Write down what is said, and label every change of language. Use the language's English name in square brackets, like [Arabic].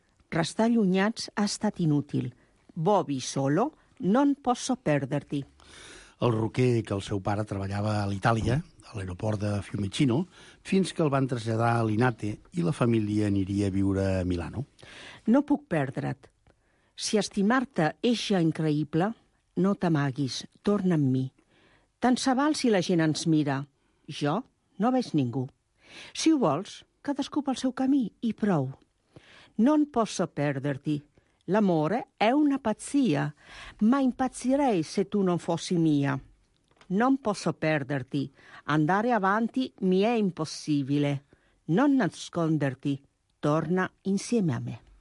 [Catalan] Restar allunyats ha estat inútil. [Italian] Bobby solo, non posso perderti. [Catalan] El roquer que el seu pare treballava a l'Itàlia, a l'aeroport de Fiumicino, fins que el van traslladar a Linate i la família aniria a viure a Milano. No puc perdre't. Si estimar-te és ja increïble, no t'amaguis, torna amb mi. Tant se val si la gent ens mira. Jo no veig ningú. Si ho vols, cadascú pel seu camí, i prou. [Italian] Non posso perderti. L'amore è una pazzia, ma impazzirei se tu non fossi mia. Non posso perderti. Andare avanti mi è impossibile. Non nasconderti. Torna insieme a me.